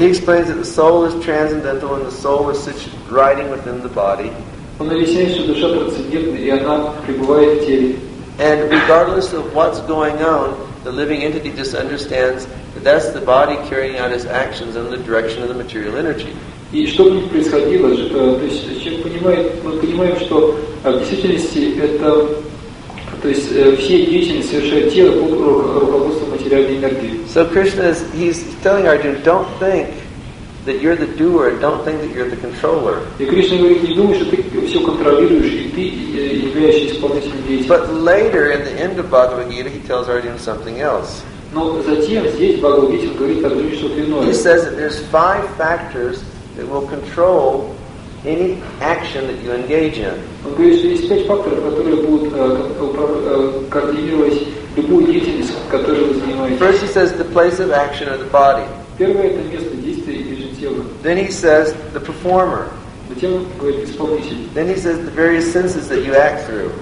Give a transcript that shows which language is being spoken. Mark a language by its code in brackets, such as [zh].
[en] He explains that the soul is transcendental and the soul is riding within the body. [ru] Он объясняет, что душа трансцендентна, и она пребывает в теле. [en] And regardless of what's going on, the living entity just understands that that's the body carrying out its actions in the direction of the material energy. [ru] И что бы ни происходило, то есть человек понимает, мы понимаем, что в действительности это. То есть все деятельности совершают тело под руководством материальной энергии. [en] So Krishna is he's telling Arjuna, don't think that you're the doer, don't think that you're the controller. [ru] И Кришна говорит, не думай, что ты все контролируешь, и ты являешься исполнителем деятельности. [en] But later in the end of Bhagavad Gita, he tells Arjuna something else. [ru] Но затем здесь Бхагавад Гита говорит Арджуне что-то иное. [en] He says that there's five factors that will control any action that you engage in. [ru] Он говорит, что есть пять факторов, которые будут координировать любую деятельность, которую вы занимаетесь. [en] First he says the place of action or the body. [ru] Первое это место действия или же тело. [en] Then he says the performer. Then he says the various senses that you act through.